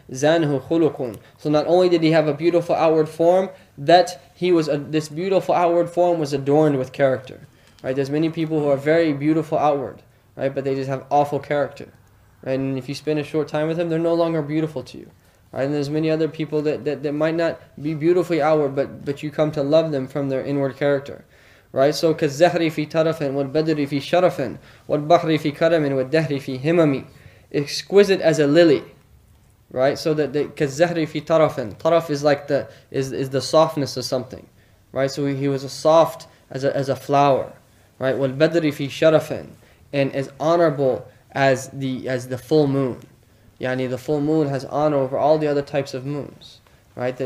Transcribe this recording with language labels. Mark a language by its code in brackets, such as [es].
[ar] Zanhu khulukun. [en] So not only did he have a beautiful outward form, that he was this beautiful outward form was adorned with character. Right, there's many people who are very beautiful outward, right, but they just have awful character. Right, and if you spend a short time with them, they're no longer beautiful to you. Right, and there's many other people that might not be beautifully outward, but you come to love them from their inward character. Right, so [ar] كَالزَّهْرِ فِي تَرَفٍ وَالْبَدْرِ فِي شَرَفٍ وَالْبَحْرِ فِي كَرَمٍ وَالدَّهْرِ فِي هِمَمِ [en] exquisite as a lily. Right, so that [ar] كَالزَّهْرِ فِي تَرَفٍ [en] طَرَف is like the softness of something. Right, so he was soft as a flower. Right, [ar] وَالْبَدْرِ فِي شَرَفٍ [en] and as honorable as the full moon. Yani the full moon has honor over all the other types of moons. Right?